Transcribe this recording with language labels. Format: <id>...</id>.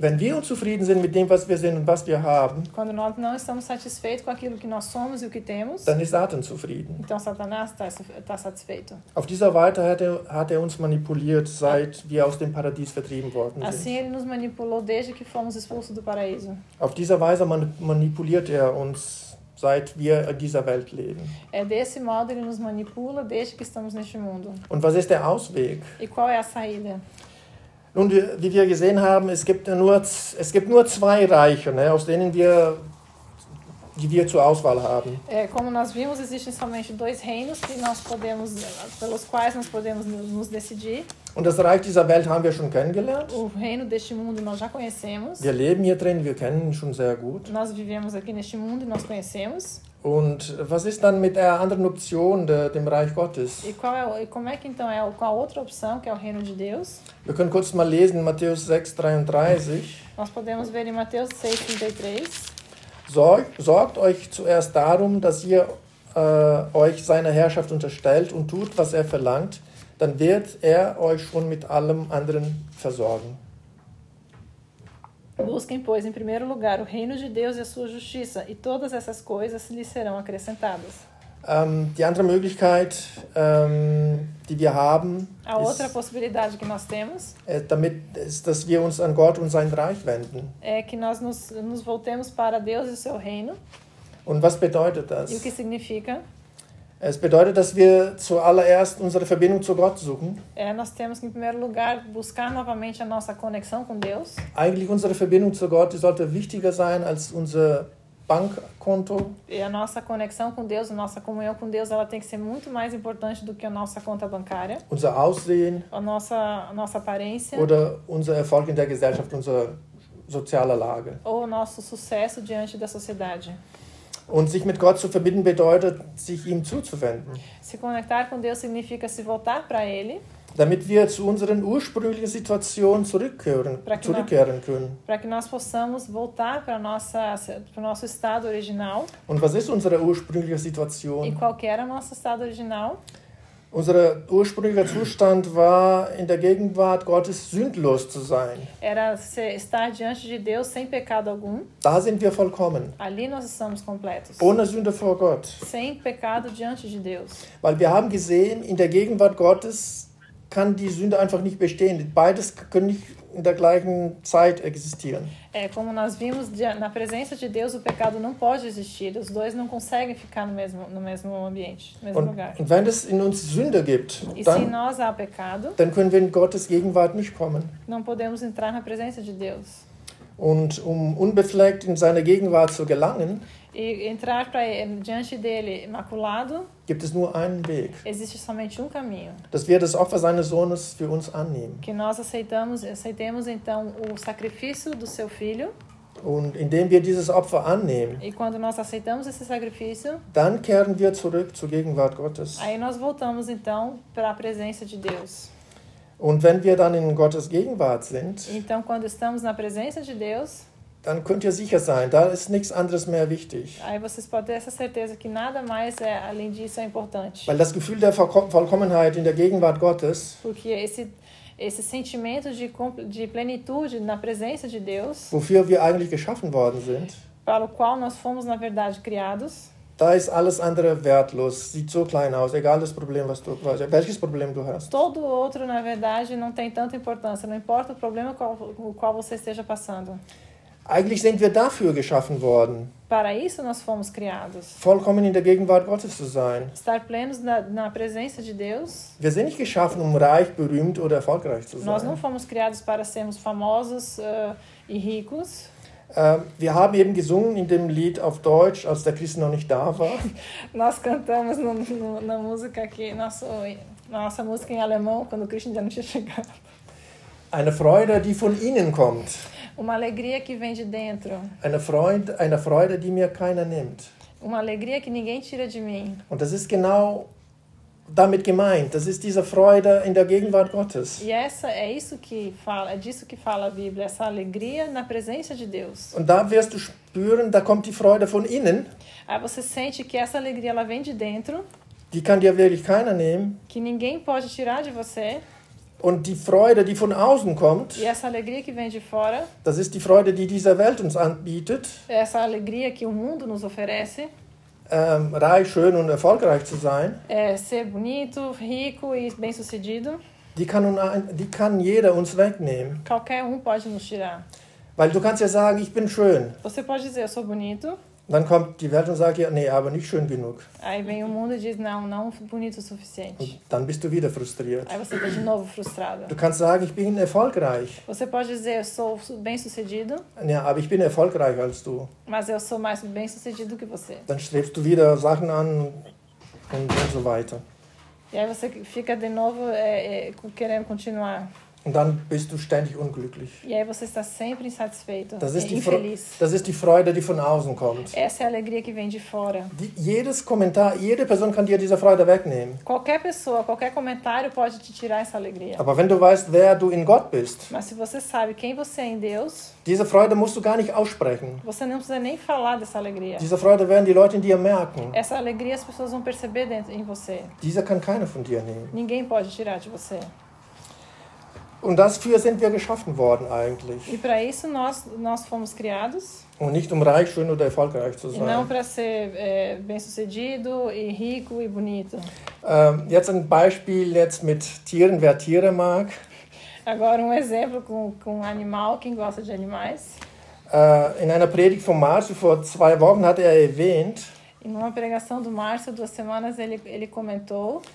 <de>Wenn wir unzufrieden sind mit dem, was wir sind und was wir haben,</de> <pt>quando nós não estamos satisfeitos com aquilo que nós somos e o que temos,</pt> <de>dann ist Satan zufrieden.</de> <pt>Então Satanás tá satisfeito.</pt> <de>Auf dieser Weise hat er uns manipuliert, seit wir aus dem Paradies vertrieben worden sind.</de> <pt>Assim ele nos manipulou desde que fomos expulsos do paraíso.</pt> <de>Auf dieser Weise manipuliert er uns, seit wir in dieser Welt leben.</de> <pt>É desse modo ele nos manipula desde que estamos neste mundo.</pt> <de>Und was ist der Ausweg?</de> <pt>E qual é a saída?</pt> <de>Nun, wie wir gesehen haben, es gibt nur zwei Reiche, ne, aus denen die wir zur Auswahl haben.</de> <pt>É, como nós vimos, existem somente dois reinos que nós podemos, pelos quais nós podemos nos decidir.</pt> <de>Und das Reich dieser Welt haben wir schon kennengelernt.</de> <pt>O reino deste mundo nós já conhecemos.</pt> <de>Wir leben hier drin, wir kennen ihn schon sehr gut.</de> <pt>Nós vivemos aqui neste mundo e nós conhecemos.</pt> <de>Und was ist dann mit der anderen Option, dem Reich Gottes?</de> <pt>Qual a outra opção, que é o reino de Deus?</pt> <de>Wir können kurz mal lesen, Matthäus 6, 33.</de> <pt>Nós podemos ver em Mateus 6, 33.</pt> <de>sorgt euch zuerst darum, dass ihr euch seiner Herrschaft unterstellt und tut, was er verlangt, dann wird er euch schon mit allem anderen versorgen.</de> <pt>Busquem, pois, em primeiro lugar o reino de Deus e a sua justiça, e todas essas coisas lhes serão acrescentadas.</pt> <de>Die andere Möglichkeit, die wir haben,</de> <pt>a outra possibilidade que nós temos,</pt> <de>damit, ist, dass wir uns an Gott und sein Reich wenden.</de> <pt>É que nós nos voltemos para Deus e o seu reino.</pt> <de>Und was bedeutet das?</de> <pt>E o que significa?</pt> <de>Es bedeutet, dass wir zuallererst unsere Verbindung zu Gott suchen.</de> <pt>É, nós temos que, em primeiro lugar, buscar novamente a nossa conexão com Deus.</pt> <de>Eigentlich unsere Verbindung zu Gott, die sollte wichtiger sein als unser Bankkonto.</de> <pt>E a nossa conexão com Deus, a nossa comunhão com Deus, ela tem que ser muito mais importante do que a nossa conta bancária.</pt> <de>Unser Aussehen.</de> <pt>A nossa aparência.</pt> <de>Oder unser Erfolg in der Gesellschaft, unsere soziale Lage.</de> <pt>Ou o nosso sucesso diante da sociedade.</pt> <de>Und sich mit Gott zu verbinden bedeutet, sich ihm zuzuwenden.</de> <pt>Se conectar com Deus significa se voltar para Ele.</pt> <de>Damit wir zu unseren ursprünglichen Situationen zurückkehren können.</de> <pt>Para que nós possamos voltar para o nosso estado original.</pt> <de>Und was ist unsere ursprüngliche Situation?</de> <pt>E qual que era o nosso estado original?</pt> <de>Unser ursprünglicher Zustand war, in der Gegenwart Gottes sündlos zu sein.</de> <pt>Era estar diante de Deus sem pecado algum.</pt> <de>Da sind wir vollkommen.</de> <pt>Ali nós estamos completos.</pt> <de>Ohne Sünde vor Gott.</de> <pt>Sem pecado diante de Deus.</pt> <de>Weil wir haben gesehen, in der Gegenwart Gottes kann die Sünde einfach nicht bestehen. Beides können nicht in der gleichen Zeit existieren.</de> <pt>É, como nós vimos, na presença de Deus o pecado não pode existir. Os dois não conseguem ficar no mesmo ambiente, no mesmo lugar.</pt> <de>Und wenn es in uns Sünde gibt,</de> <pt>dann, se em nós há pecado,</pt> <de>dann können wir in Gottes Gegenwart nicht kommen.</de> <pt>Não podemos entrar na presença de Deus.</pt> <de>Und unbefleckt in seine Gegenwart zu gelangen,</de> <pt>e entrar diante dele imaculado,</pt> <de>gibt es nur einen Weg.</de> <pt>Existe somente caminho.</pt> <de>Dass wir das Opfer seines Sohnes für uns annehmen.</de> <pt>Que nós aceitemos então o sacrifício do seu filho.</pt> <de>Und indem wir dieses Opfer annehmen,</de> <pt>e quando nós aceitamos esse sacrifício,</pt> <de>dann kehren wir zurück zur Gegenwart Gottes.</de> <pt>Aí nós voltamos então para a presença de Deus.</pt> <de>Und wenn wir dann in Gottes Gegenwart sind,</de> <pt>então quando estamos na presença de Deus,</pt> <de>dann könnt ihr sicher sein, da ist nichts anderes mehr wichtig.</de> <pt>Aí vocês podem ter essa certeza que nada mais é, além disso é importante.</pt> <de>Weil das Gefühl der Vollkommenheit in der Gegenwart Gottes,</de> <pt>porque esse sentimento de plenitude na presença de Deus,</pt> <de>wofür wir eigentlich geschaffen worden sind,</de> <pt>para o qual nós fomos na verdade criados,</pt> <de>da ist alles andere wertlos, sieht so klein aus, egal das Problem, welches Problem du hast.</de> <pt>Todo outro, na verdade, não tem tanta importância, não importa o problema qual você esteja passando.</pt> <de>Eigentlich sind wir dafür geschaffen worden.</de> <pt>Para isso nós fomos criados.</pt> <de>Vollkommen in der Gegenwart Gottes zu sein.</de> <pt>Estar plenos na presença de Deus.</pt> <de>Wir sind nicht geschaffen, reich, berühmt oder erfolgreich zu sein.</de> <pt>Nós não fomos criados para sermos famosos e ricos.</pt> <de>Wir haben eben gesungen in dem Lied auf Deutsch, als der Christ noch nicht da war.</de> <pt>Nós cantamos na música aqui, nossa música em alemão, quando o Christian já não tinha chegado.</pt> <de>Eine Freude, die von innen kommt.</de> <pt>Uma alegria que vem de dentro.</pt> <de>Eine Freude, die mir keiner nimmt.</de> <pt>Uma alegria que ninguém tira de mim.</pt> <de>Und das ist genau damit gemeint. Das ist diese Freude in der Gegenwart Gottes.</de> <pt>E essa é isso que fala, é disso que fala a Bíblia, essa alegria na presença de Deus.</pt> <de>Und da wirst du spüren, da kommt die Freude von innen.</de> <pt>Aí você sente que essa alegria ela vem de dentro.</pt> <de>Die kann dir wirklich keiner nehmen.</de> <pt>Que ninguém pode tirar de você.</pt> <de>Und die Freude, die von außen kommt,</de> <pt>e essa alegria que vem de fora,</pt> <de>das ist die Freude, die diese Welt uns anbietet,</de> <pt>essa alegria que o mundo nos oferece,</pt> <de>reich, schön und erfolgreich zu sein,</de> <pt>ser bonito, rico e bem-sucedido,</pt> <de>die kann jeder uns wegnehmen.</de> <pt>Qualquer pode nos tirar.</pt> <de>Weil du kannst ja sagen, ich bin schön.</de> <pt>Você pode dizer, eu sou bonito.</pt> <de>Dann kommt die Welt und sagt, ja, nee, aber nicht schön genug.</de> <pt>Aí vem o mundo e diz, não bonito o suficiente.</pt> <de>Und dann bist du wieder frustriert.</de> <pt>Aí você tá de novo frustrado.</pt> <de>Du kannst sagen, ich bin erfolgreich.</de> <pt>Você pode dizer, eu sou bem-sucedido.</pt> <de>Ja, aber ich bin erfolgreicher als du.</de> <pt>Mas eu sou mais bem-sucedido que você.</pt> <de>Dann strebst du wieder Sachen an und so weiter.</de> <pt>E aí você fica de novo querendo continuar.</pt> <de>Und dann bist du ständig unglücklich.</de> <pt>E aí você está sempre insatisfeito.</pt> <de>Das ist infeliz. Das ist die Freude, die von außen kommt.</de> <pt>Essa é a alegria que vem de fora.</pt> <de>Jedes Kommentar, jede Person kann dir diese Freude wegnehmen.</de> <pt>Qualquer pessoa, qualquer comentário pode te tirar essa alegria.</pt> <de>Aber wenn du weißt, wer du in Gott bist.</de> <pt>Mas se você sabe quem você é em Deus.</pt> <de>Diese Freude musst du gar nicht aussprechen.</de> <pt>Você não precisa nem falar dessa alegria.</pt> <de>Diese Freude werden die Leute in dir merken.</de> <pt>Essa alegria as pessoas vão perceber dentro em você.</pt> <de>Diese kann keiner von dir nehmen.</de> <pt>Ninguém pode tirar de você.</pt> <de>Und dafür sind wir geschaffen worden eigentlich.</de> <pt>E para isso nós fomos criados.</pt> <de>Und nicht um reich, schön oder erfolgreich zu sein.</de> <pt>E não para ser bem-sucedido e rico e bonito.</pt> <de>Jetzt ein Beispiel jetzt mit Tieren, wer Tiere mag.</de> <pt>Agora exemplo com animal, quem gosta de animais.</pt> <de>In einer Predigt von Márcio vor 2 Wochen hat er erwähnt.</de> <pt>Em uma pregação do Márcio, 2 semanas, ele comentou.</pt>